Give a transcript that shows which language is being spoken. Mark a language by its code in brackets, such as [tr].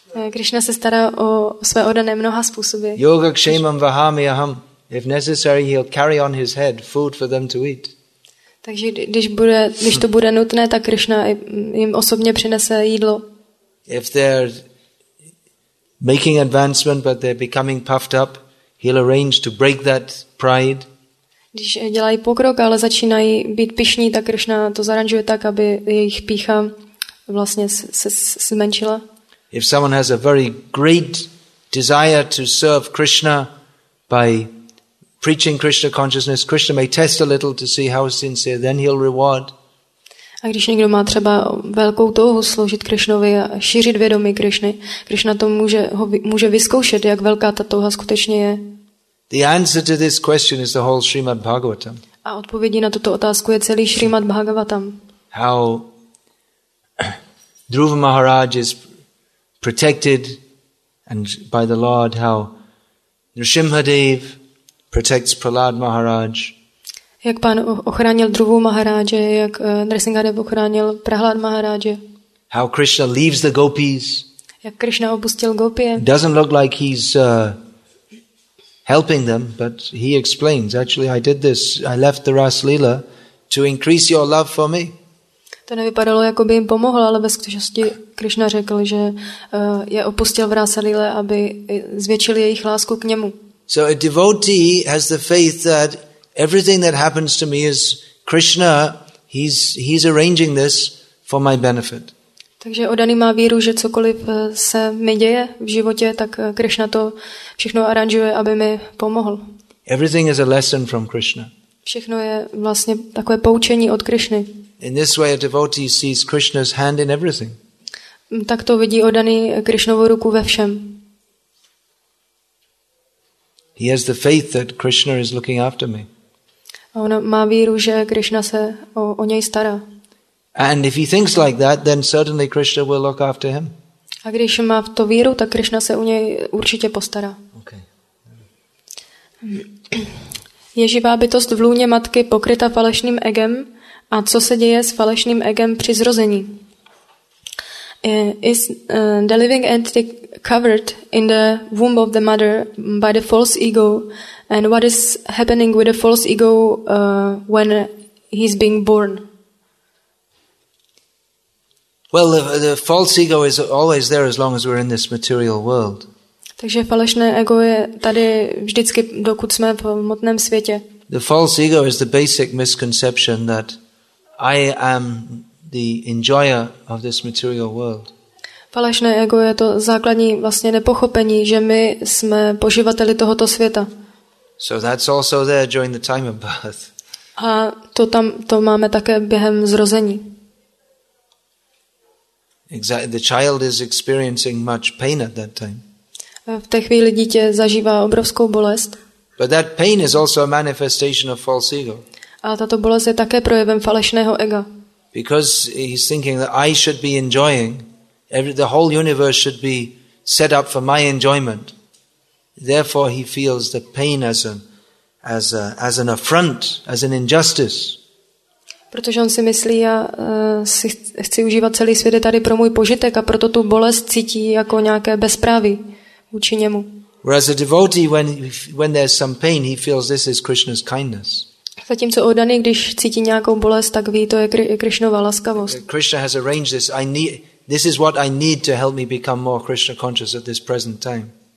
[cs] Krishna se stará o své oddané mnoha způsoby. [sa] Yoga kshemam vahami aham. [en] If necessary, he'll carry on his head food for them to eat. [cs] Takže když to bude nutné, tak Krishna jim osobně přinese jídlo. [en] If they're making advancement but they're becoming puffed up, he'll arrange to break that pride. [cs] Když dělají pokrok, ale začínají být pyšní, tak Krishna to zaranžuje tak, aby jejich pýcha vlastně se zmenšila. [en] If someone has a very great desire to serve Krishna by preaching Krishna consciousness, Krishna may test a little to see how sincere, then he'll reward. [cs] A když někdo má třeba velkou touhu sloužit Krishnovi a šířit vědomí Krishny, Krishna to může vyzkoušet, jak velká ta touha skutečně je. [en] The answer to this question is the whole Srimad Bhagavatam. [cs] A odpovědí na tuto otázku je celý Srimad Bhagavatam. [en] How Dhruva Maharaj is protected and by the Lord, how Nrsimhadev protects Prahlad Maharaj. [cs] Jak pán ochránil Dhruvu Maharaje, jak Nrsimhadev ochránil Prahlad Maharaje. [en] How Krishna leaves the gopis. [cs] Jak Krishna opustil Gopie. [en] It doesn't look like he's helping them, but he explains, actually I did this, I left the Ras Lila to increase your love for me. [cs] To nevypadalo, jako by jim pomohl, ale ve skutečnosti Krishna řekl, že je opustil v Rasa Lila, aby zvětšil jejich lásku k němu. [en] So a devotee has the faith that everything that happens to me is Krishna, he's arranging this for my benefit. [cs] Takže oddaný má víru, že cokoliv se mi děje v životě, tak Krishna to všechno aranžuje, aby mi pomohl. [en] Everything is a lesson from Krishna. [cs] Všechno je vlastně takové poučení od Krishny. [en] In this way a devotee sees Krishna's hand in everything. [cs] Tak to vidí oddaný Krishnovu ruku ve všem. [en] He has the faith that Krishna is looking after me. [cs] A on má víru, že Krishna se o něj stará. [en] And if he thinks like that, then certainly Krishna will look after him. [cs] A když má v to víru, tak Krishna se o něj určitě postará. [en] Okay. [cs] Je živá bytost v lůně matky pokryta falešným egem, a co se děje s falešným egem při zrození? [en] Is the living entity covered in the womb of the mother by the false ego, and what is happening with the false ego when he's being born? Well, the false ego is always there as long as we're in this material world. [cs] Takže falešné ego je tady vždycky, dokud jsme v hmotném světě. [en] The false ego is the basic misconception that I am the enjoyer of this material world. [cs] Falešné ego je to základní vlastně nepochopení, že my jsme poživateli tohoto světa. [en] So that's also there during the time of birth. [cs] A to tam to máme také během zrození. [en] Exactly, the child is experiencing much pain at that time. [cs] V té chvíli dítě zažívá obrovskou bolest. [en] But that pain is also a manifestation of false ego. [cs] A tato bolest je také projevem falešného ega. [en] Because he's thinking that I should be enjoying, the whole universe should be set up for my enjoyment. Therefore he feels the pain as an affront, as an injustice. [cs] Protože on si myslí, já si chci užívat celý svět tady pro můj požitek a proto tu bolest cítí jako nějaké bezpráví vůči němu. [en] Whereas a devotee, when there's some pain, he feels this is Krishna's kindness. [cs] Zatímco oddaný, když cítí nějakou bolest, tak ví, to je Krishnova laskavost. [en] Krishna has arranged this. This is what I need to help me become more Krishna conscious at this present time.